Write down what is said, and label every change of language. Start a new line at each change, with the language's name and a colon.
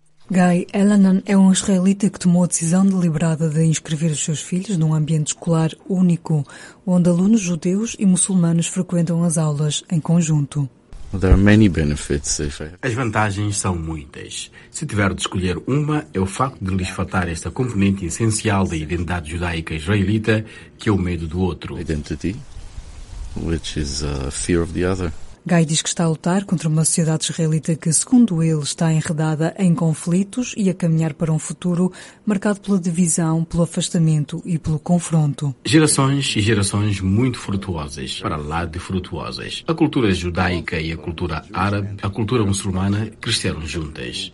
Portuguese: Guy Elanon é um israelita que tomou a decisão deliberada de inscrever os seus filhos num ambiente escolar único, onde alunos judeus e muçulmanos frequentam as aulas em conjunto.
English: There are many benefits.
Portuguese: As vantagens são muitas. Se tiver de escolher uma, é o facto de lhes faltar esta componente essencial da identidade judaica israelita, que é o medo do outro.
English: Identity, which is a fear of the other.
Portuguese: Guy diz que está a lutar contra uma sociedade israelita que, segundo ele, está enredada em conflitos e a caminhar para um futuro marcado pela divisão, pelo afastamento e pelo confronto. Gerações e gerações muito frutuosas, para lá de frutuosas. A cultura judaica e a cultura árabe, a cultura muçulmana, cresceram juntas.